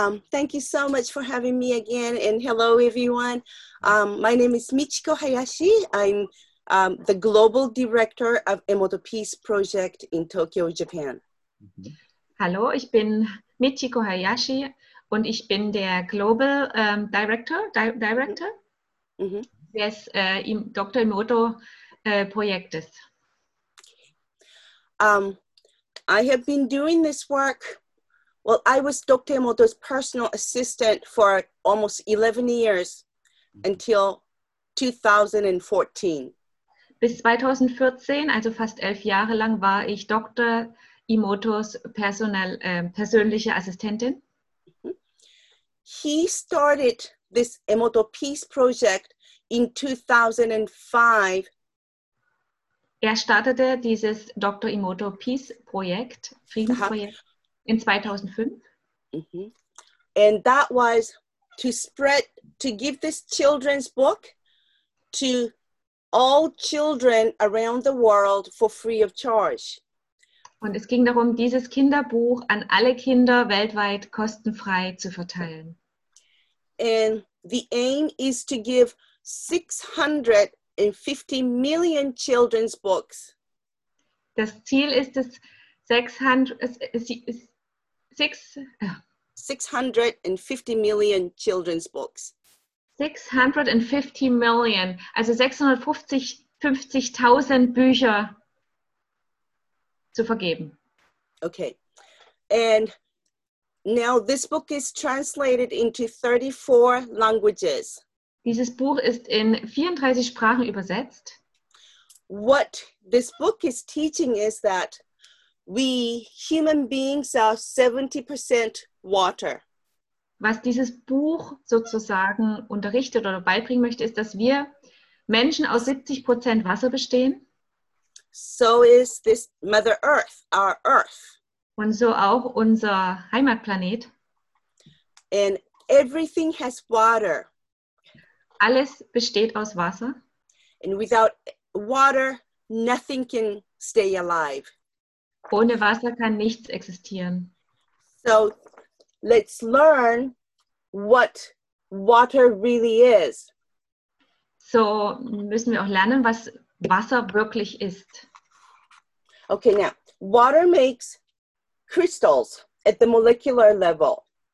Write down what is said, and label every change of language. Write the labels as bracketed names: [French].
[English] Thank you so much for having me again. And hello, everyone. My name is Michiko Hayashi. I'm the global director of Emoto Peace Project in Tokyo, Japan. Mm-hmm. [German] Hallo, ich bin Michiko Hayashi und ich bin der [English] global director. [German] Mm-hmm. Des Dr. Emoto Projektes. [English] I have been doing this work. Well, I was Dr. Emoto's personal assistant for almost 11 years until 2014. [German] Bis 2014, also fast 11 Jahre lang, war ich Dr. Emoto's persönliche Assistentin. [English] He started this Emoto Peace Project in 2005. [German] Er startete dieses Dr. Emoto Peace Projekt, Friedensprojekt, in 2005. [English] Mm-hmm. And that was to spread to give this children's book to all children around the world for free of charge. [German] Und es ging darum, dieses Kinderbuch an alle Kinder weltweit kostenfrei zu verteilen. [English] And the aim is to give 650 million children's books. [German] Das Ziel ist es, 650 [English] million children's books. [German] 650 million, also 650,000 Bücher zu vergeben. [English] Okay. And now this book is translated into 34 languages. [German] Dieses Buch ist in 34 Sprachen übersetzt. [English] What this book is teaching is that we human beings are 70% water. [German] Was dieses Buch sozusagen unterrichtet oder beibringen möchte, ist, dass wir Menschen aus 70% Wasser bestehen. [English] So is this Mother Earth, our Earth. [German] Und so auch unser Heimatplanet. [English] And everything has water. [German] Alles besteht aus Wasser. [English] And without water, nothing can stay alive. [German] Ohne Wasser kann nichts existieren. [English] So, let's learn what water really is. [German] So müssen wir auch lernen, was Wasser wirklich ist. [English] Okay, now, water makes crystals at the molecular level.